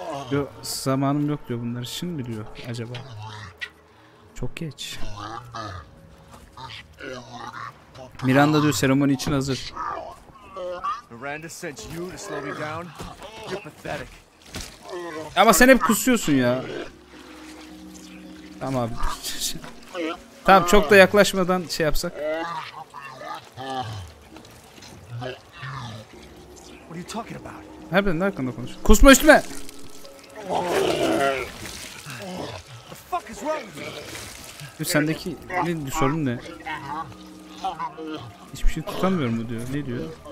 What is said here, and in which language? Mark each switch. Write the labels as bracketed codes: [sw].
[tr] Yok, zamanım yok diyor bunlar. Şimdi mi diyor acaba? Çok geç. Miranda diyor seremoni için hazır. [en] Miranda sent you to slow me down. You're pathetic. [tr] Ama sen hep kusuyorsun ya. Tamam abi. Tamam, çok da yaklaşmadan şey yapsak. [en] What are you talking about? [tr] Her birinin hakkında konuş. Kusma üstüme. [en] The fuck is wrong with you? [tr] Sendeki ne, sorun ne? Hiçbir şey tutamıyorum mu diyor. Ne diyor?